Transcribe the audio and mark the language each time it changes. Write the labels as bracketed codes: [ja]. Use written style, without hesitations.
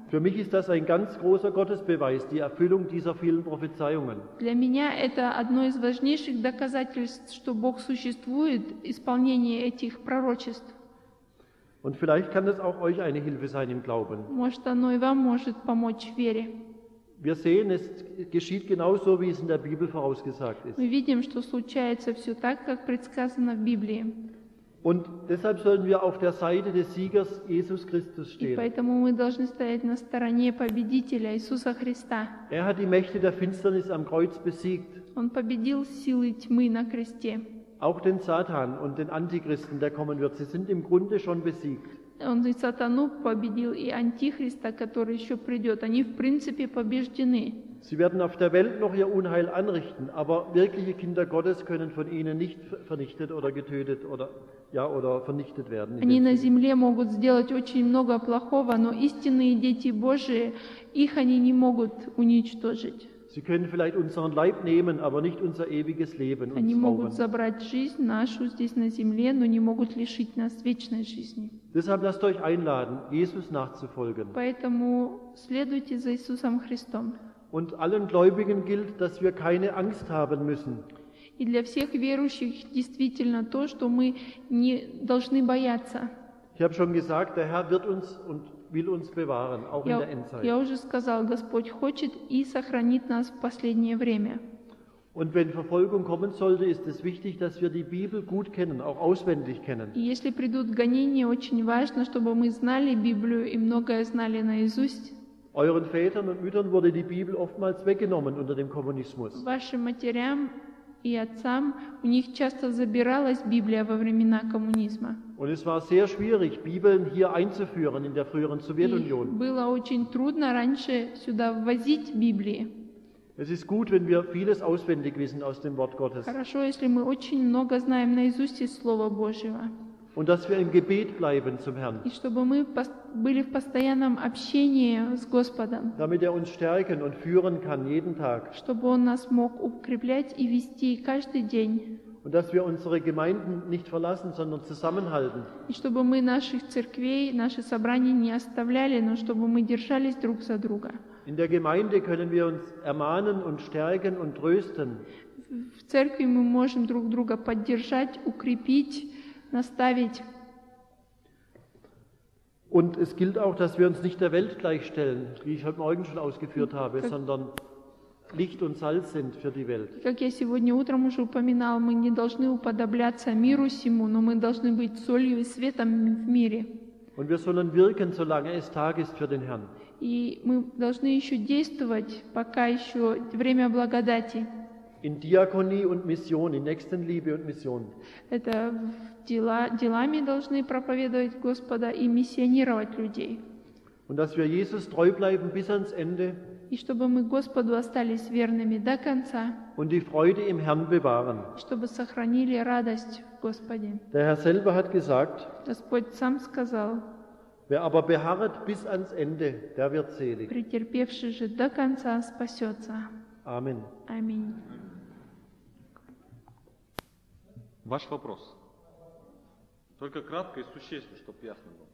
[de] Für mich ist das ein ganz großer Gottesbeweis, die Erfüllung dieser vielen Prophezeiungen. [ru] Для меня это одно из важнейших доказательств, что Бог существует, исполнение этих пророчеств. [de] Und vielleicht kann das auch euch eine Hilfe sein im Glauben. [ru] Может, оно и вам может помочь в вере. [de] Wir sehen, es geschieht genauso, wie es in der Bibel vorausgesagt ist. [ru] Мы видим, что случается все так, как предсказано в Библии. [de] Und deshalb sollen wir auf der Seite des Siegers Jesus Christus stehen. [ru] И поэтому мы должны стоять на стороне победителя Иисуса Христа. [de] Er hat die Mächte der Finsternis am Kreuz besiegt. [ru] Он победил силы тьмы на кресте. [de] Auch den Satan und den Antichristen, der kommen wird, sie sind im Grunde schon besiegt. [ru] Он и сатану победил, и антихриста, который еще придет. Они, в принципе, побеждены. [de] Sie werden auf der Welt noch ihr Unheil anrichten, aber wirkliche Kinder Gottes können von ihnen nicht vernichtet oder getötet oder, ja, oder vernichtet werden. [ru] Они на земле могут сделать очень много плохого, но истинные дети Божии, их они не могут уничтожить. [de] Sie können vielleicht unseren Leib nehmen, aber nicht unser ewiges Leben. [ru] Они могут забрать жизнь нашу здесь на земле, но не могут лишить нас вечной жизни. [de] Deshalb lasst euch einladen, Jesus nachzufolgen. [ru] Поэтому следуйте за Иисусом Христом. [de] Und allen Gläubigen gilt, dass wir keine Angst haben müssen. [ru] И для всех верующих действительно то, что мы не должны бояться. [de] Ich habe schon gesagt, der Herr wird uns und will uns bewahren, auch in der Endzeit. [ru] Я уже сказал, Господь хочет и сохранит нас в последнее время. [de] Und wenn Verfolgung kommen sollte, ist es wichtig, dass wir die Bibel gut kennen, auch auswendig kennen. [ru] И если придут гонения, очень важно, чтобы мы знали Библию и многое знали наизусть. [de] Euren Vätern und Müttern wurde die Bibel oftmals weggenommen unter dem Kommunismus. [ru] Вашим матерям и отцам у них часто забиралась Библия во времена коммунизма. [de] Und es war sehr schwierig, Bibeln hier einzuführen in der früheren Sowjetunion. [ru] Было очень трудно раньше сюда ввозить Библии. [de] Es ist gut, wenn wir vieles auswendig wissen aus dem Wort Gottes. [ru] Хорошо, если мы очень много знаем наизусть из Слова Божьего. [de] Und dass wir im Gebet bleiben zum Herrn. [ru] И чтобы мы были в постоянном общении с Господом. [de] Damit er uns stärken und führen kann jeden Tag. [ru] Чтобы он нас мог укреплять и вести каждый день. [de] Und dass wir unsere Gemeinden nicht verlassen, sondern zusammenhalten. [ru] И чтобы мы наших церквей, наши собрания не оставляли, но чтобы мы держались друг за друга. [de] In der Gemeinde können wir uns ermahnen und stärken und trösten. [ru] В церкви мы можем друг друга поддержать, укрепить, наставить. [de] Und es gilt auch, dass wir uns nicht der Welt gleichstellen, wie ich heute Morgen schon ausgeführt habe, sondern Licht und Salz sind für die Welt. [ru] Как я сегодня утром уже упоминал, мы не должны уподобляться миру сему, но мы должны быть солью и светом в мире. [de] Und wir sollen wirken, solange es Tag ist für den Herrn. [ru] И мы должны еще действовать, пока еще время благодати. [de] In Diakonie und Mission, in Nächstenliebe und Mission. [ru] Это делами должны проповедовать Господа и миссионировать людей. [de] Und dass wir Jesus treu bleiben bis ans Ende. [ru] И чтобы мы Господу остались верными до конца. [de] Und die Freude im Herrn bewahren. [ru] Чтобы сохранили радость в Господе. [de] Der Herr selber hat gesagt. [ru] Господь сам сказал. [de] Wer aber beharret bis ans Ende, der wird selig. [ru] Претерпевший же до конца спасется. [de] Amen. Amen. [ru] Ваш вопрос. Только кратко и существенно, чтобы ясно было.